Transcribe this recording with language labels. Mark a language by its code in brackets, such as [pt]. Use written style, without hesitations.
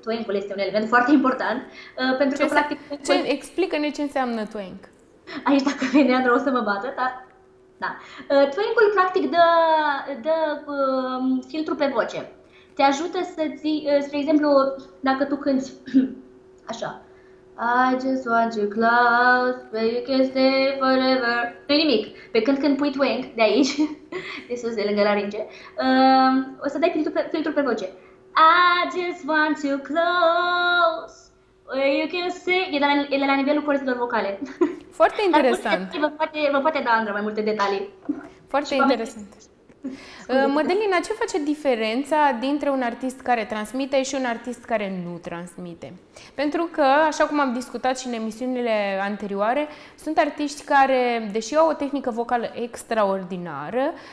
[ro] Twang-ul este un element foarte important. Pentru ce că, practic, explică-ne ce înseamnă twang. Aici, dacă vine Andra, o să mă bată, dar... Da. Twang-ul, practic, dă filtru pe voce. Te ajută să ții, spre exemplu, dacă tu cânti... Așa. [en] I just want you close, where you can stay forever. [ro] Nu-i nimic. Pe când pui twang de aici, de sus, de lângă laringe, o să dai filtrul pe voce. [en] I just want you close, where you can stay... [ro] E la nivelul corzilor vocale. Foarte interesant. Vă poate da, Andra, mai multe detalii. Foarte interesant. Mădălina, ce face diferența dintre un artist care transmite și un artist care nu transmite? Pentru că, așa cum am discutat și în emisiunile anterioare, sunt artiști care, deși au o tehnică vocală extraordinară,